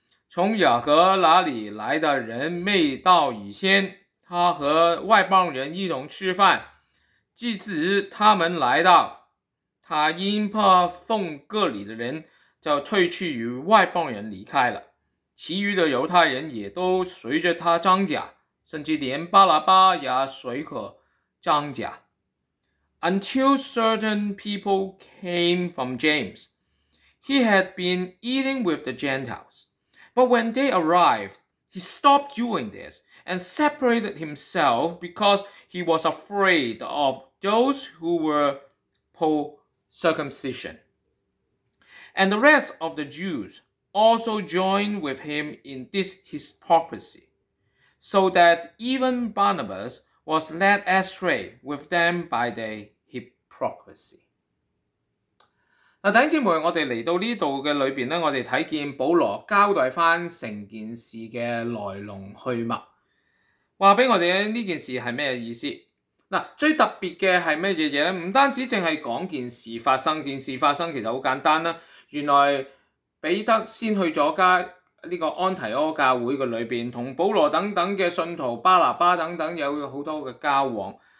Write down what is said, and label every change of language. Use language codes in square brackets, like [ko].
[zh] 从雅各那里来的人没到以前，他和外邦人一同吃饭，即使他们来到，他因怕奉割礼的人，就退去与外邦人离开了。其余的犹太人也都随着他装甲，甚至连巴拿巴也随和装甲。 [en] Until certain people came from James, he had been eating with the Gentiles. But when they arrived, he stopped doing this and separated himself because he was afraid of those who were post-circumcision. And the rest of the Jews also joined with him in this hypocrisy, so that even Barnabas was led astray with them by the hypocrisy. [zh] 弟兄姊妹，我们来到这里的里面，我们看见保罗交代整件事的来龙去脉，告诉我们这件事是什么意思。最特别的是什么呢？不单止只是讲件事发生，件事发生其实很简单，原来彼得先去了家这个安提柯教会的里面，跟保罗等等的信徒、巴拿巴等等有很多的交往。